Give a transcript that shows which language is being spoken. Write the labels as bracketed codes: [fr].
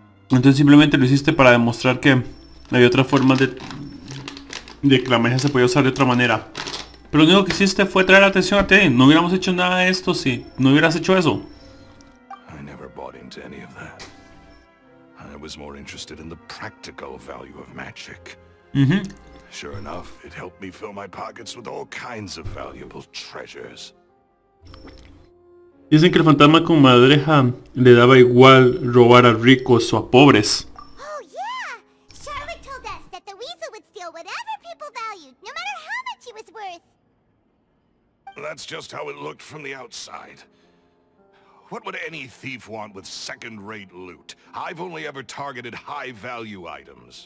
[es] Entonces simplemente lo hiciste para demostrar que había otra forma de que la magia se podía usar de otra manera. Pero lo único que hiciste fue traer la atención a ti. No hubiéramos hecho nada de esto si no hubieras hecho eso. [en] I never bought into any of that. I was more interested in the practical value of magic. Mm-hmm. Sure enough, it helped me fill my pockets with all kinds of valuable treasures. [es] Dicen que el fantasma con madreja le daba igual robar a ricos o a pobres. [en] Oh yeah! Charlotte told us that the weasel would steal whatever people valued, no matter how much he was worth. That's just how it looked from the outside. What would any thief want with second-rate loot? I've only ever targeted high-value items.